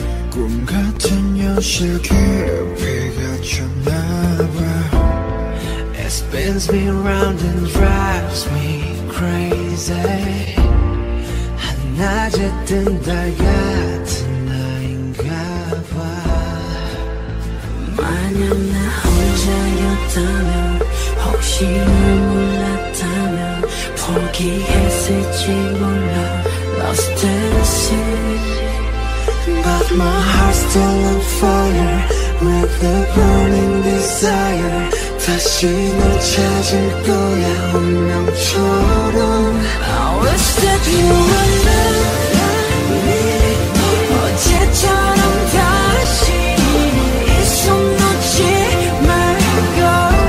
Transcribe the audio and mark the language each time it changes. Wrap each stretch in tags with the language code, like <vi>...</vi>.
<ko>꿈 같은 현실 괴롭혀졌나봐.</ko> <en>It spins me round and drives me crazy.</en> <ko>낮에 뜬 달 같은 나인가봐. 만약 나 혼자였다면 혹시 널 몰랐다면 포기했을지 몰라.</ko> <en>Lost in a sea, but my heart's still on fire with a burning desire.</en> <ko>다시 널 찾을 거야 운명처럼.</ko> <en>I wish that you were there.</en> <ko>어제처럼 다시 이 손 놓지 말고.</ko>